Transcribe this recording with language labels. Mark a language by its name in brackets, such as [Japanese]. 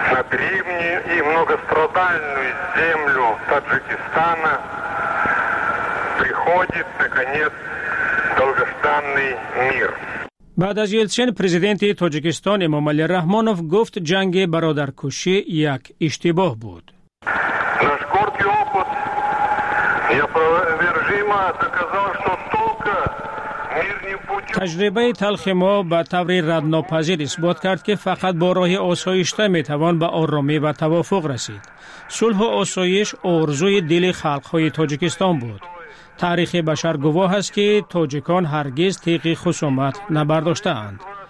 [Russian] древнюю и многострадальную землю Таджикистана приходит наконец долгожданный мир. [Persian] بعد از یلسین پرزیدنت تاجیکستان امامعلی رحمانوف گفت جنگ برادرکشی یک اشتباه بود. [Russian] Наш горький опыт неопровержимо доказал, что только мир не будет. [Persian] تجربه تلخ ما به طور ردناپذیر اثبات کرد که فقط با راه آسایشته می توان به آرامی و توافق رسید. صلح و آسایش آرزوی دل خلق‌های تاجیکستان بود. تاریخ بشر گواه است که تاجیکان هرگز تیغ خصومت نبرداشته‌اند.